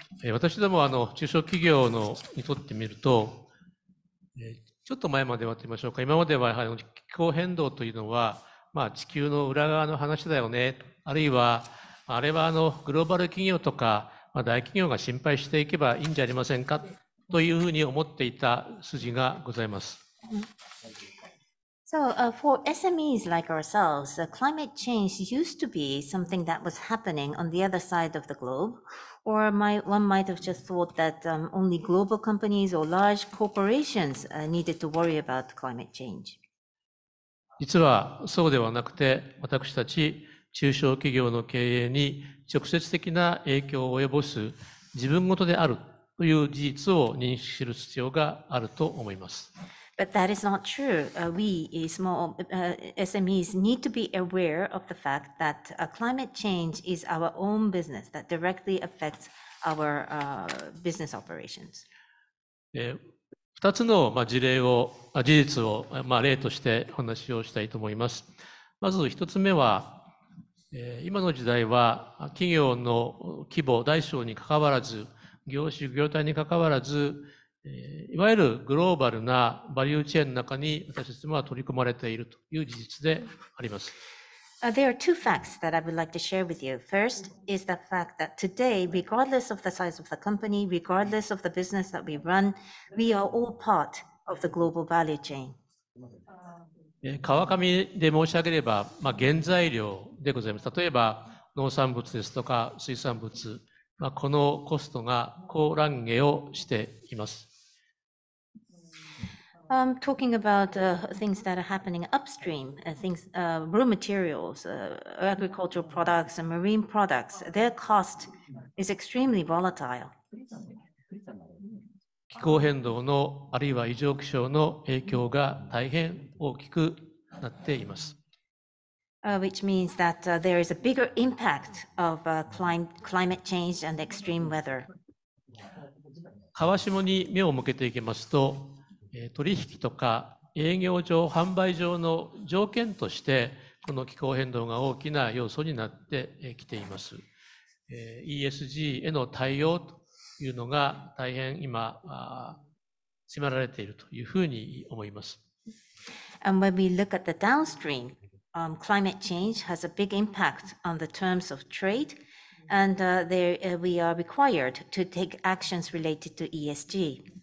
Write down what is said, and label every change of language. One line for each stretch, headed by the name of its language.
Japanese: 私ども中小企業のにとってみると、ちょっと前まではと言いましょうか、今まではやはり気候変動というのは、まあ、地球の裏側の話だよね、あるいはあれはグローバル企業とか、まあ、大企業が心配していけばいいんじゃありませんかというふうに思っていた筋がございます。
English: So, for SMEs like ourselves, climate change used to be something that was happening on the other side of the globe. Or one might have just thought that only global companies or large corporations needed to worry about climate change.
Japanese: 実はそうではなくて、私たち中小企業の経営に直接的な影響を及ぼす自分事であるという事実を認識する必要があると思います。
English: But that is not true. We small SMEs need to be aware of the fact that climate change is our own business that directly affects our business operations.
Japanese: 2つの事実を、例としてお話をしたいと思います。まず1つ目は、今の時代は企業の規模大小にかかわらず、業種業態にかかわらず、いわゆるグローバルなバリューチェーンの中に私たちは取り込まれているという事実であります。
English: There are two facts that I would like to share with you. First is the fact that today, regardless of the size of the company, regardless of the business that we run, we are all part of the global value chain.
Japanese: 川上で申し上げれば、まあ、原材料でございます。例えば農産物ですとか水産物。まあ、このコストが高乱下をしています。
English: Talking about things that are happening upstream, things, raw materials, agricultural products and marine products, their cost is extremely volatile.
Japanese: 気候変動のあるいは異常気象の影響が大変大きくなっています。
English: Which means that there is a bigger impact of climate change and extreme weather.
Japanese: 川下に目を向けていきますと、取引とか営業上、販売上の条件として、この気候変動が大きな要素になってきています。 ESG への対応というのが大変今、迫られているというふうに思います。
English: And when we look at the downstream,climate change has a big impact on the terms of trade, and we are required to take actions related to ESG.